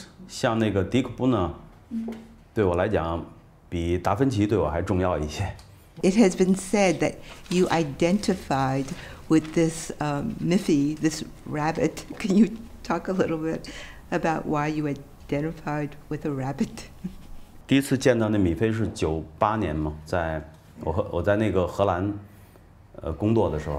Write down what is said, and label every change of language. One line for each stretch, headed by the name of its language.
Chinese: 像那个迪克布呢，对我来讲比达芬奇对我还重要一些。
English: It has been said that you identified with this Miffy, this rabbit. Can you talk a little bit about why you identified with a rabbit?
Chinese: 第一次见到那米菲是98年嘛，在我在那个荷兰工作的时候。